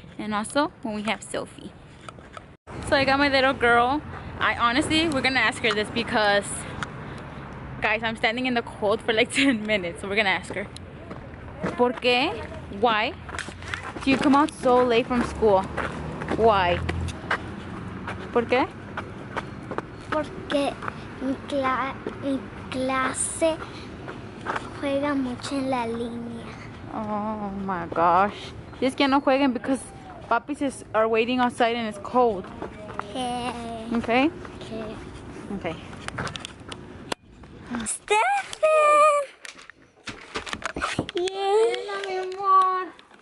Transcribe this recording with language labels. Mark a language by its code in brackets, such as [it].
[en] And also when we have Sophie. So I got my little girl. I honestly, we're gonna ask her this because, guys, I'm standing in the cold for like 10 minutes. So we're gonna ask her. [es] ¿Por qué? [en] Why? Do you come out so late from school? Why? [es] ¿Por qué? Porque mi clase juega mucho en la línea. [en] Oh my gosh. Just [es] que no jueguen [en] because papis is, are waiting outside and it's cold. Okay. Okay. Okay. Stefan! Yay! [es] Hola, mi amor.